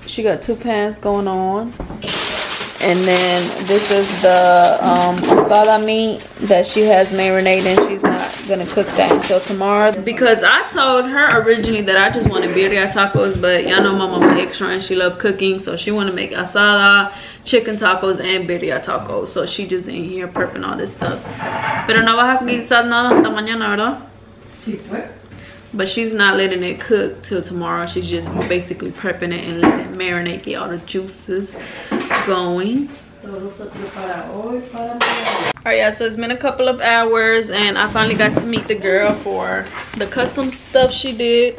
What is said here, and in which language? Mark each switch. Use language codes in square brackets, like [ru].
[en] She got two pans going on. And then this is the asada meat that she has marinated, and she's not going to cook that until tomorrow. Because I told her originally that I just wanted birria tacos, but y'all know my mama extra and she loves cooking. So she want to make asada, chicken tacos, and birria tacos. So she just in here prepping all this stuff. [es] Pero no vas a quitar nada hasta mañana, ¿verdad? [en] But she's not letting it cook till tomorrow. She's just basically prepping it and letting it marinate, get all the juices going. All right, yeah, so it's been a couple of hours and I finally got to meet the girl for the custom stuff she did.